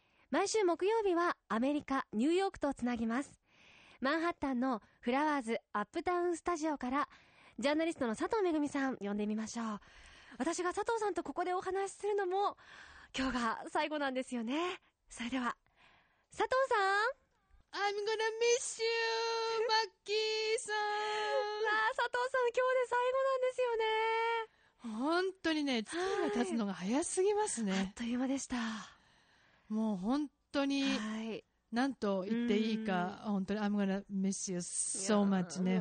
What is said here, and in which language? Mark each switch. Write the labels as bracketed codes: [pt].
[ja] 毎週木曜日はアメリカ・ニューヨークとつなぎます。マンハッタンのフラワーズアップタウンスタジオからジャーナリストの佐藤めぐみさん呼んでみましょう。私が佐藤さんとここでお話しするのも今日が最後なんですよね。それでは佐藤さん、 [en] I'm gonna miss you マッキーさん。 [ja] あ、佐藤さん今日で最後なんですよね。本当にね、月日が経つのが早すぎますね。あっという間でした。もう本当に、はい、なんと言っていいか、本当に [en] I'm gonna miss you so much [ja] ね。